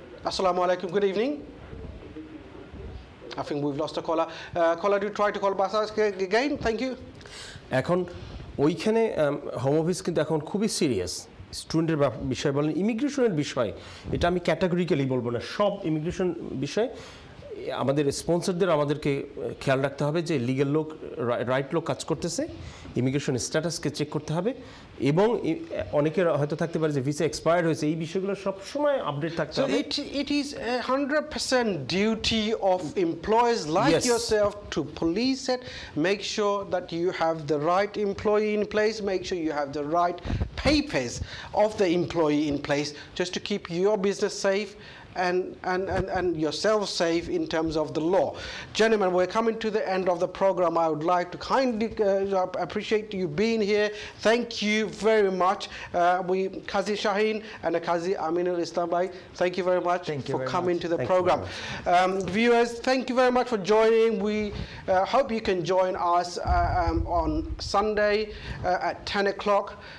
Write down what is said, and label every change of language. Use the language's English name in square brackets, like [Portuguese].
[English] আসসালামু আলাইকুম good evening I think we've lost a caller. Caller, do you try to call Basas again? Thank you. [Bangla] এখন ওইখানে home office কিন্তু এখন খুবই সিরিয়াস স্টুডেন্টের বিষয় বলেন ইমিগ্রেশনের বিষয় এটা আমি ক্যাটাগরিক্যালি বলবো না সব ইমিগ্রেশন বিষয়ে আমাদের স্পন্সরদের আমাদেরকে খেয়াল রাখতে হবে যে লিগ্যাল লোক রাইট লোক কাজ করতেছে ইমিগ্রেশন স্ট্যাটাসকে চেক করতে হবে এবং অনেকের হয়তো থাকতে পারে যে ভিসা এক্সপায়ার্ড হয়েছে এই বিষয়গুলো সবসময় আপডেট থাকতে হবে [English] It is 100% duty of employees like yourself to police it make sure that you have the right employee in place make sure you have the right papers of the employee in place just to keep your business safe and yourself safe in terms of the law. Gentlemen, we're coming to the end of the program. I would like to kindly appreciate you being here. Thank you very much. We Qazi Shaheen and Qazi Aminul Islam Bhai, thank you very much for coming to the program. Viewers, thank you very much for joining. We hope you can join us on Sunday at 10 o'clock.